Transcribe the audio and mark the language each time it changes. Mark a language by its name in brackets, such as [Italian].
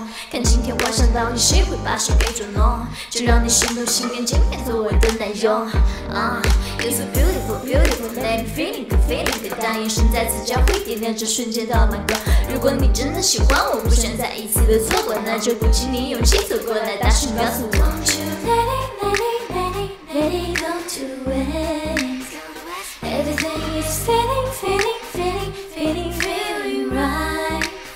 [Chinese] 看今天晚上到底谁会把手给捉弄，就让你心动心念今天作为的内容。 [English] You're so beautiful, beautiful, let me feeling good, feeling good， [Chinese] 当眼神再次交汇点亮这瞬间的满格。如果你真的喜欢我，不想再一次的错过，那就鼓起你勇气走过来，大声告诉我。 [English] Won't you let it, let it, let it, let it go to waste? Everything is feeling, feeling, feeling, feeling, feeling right.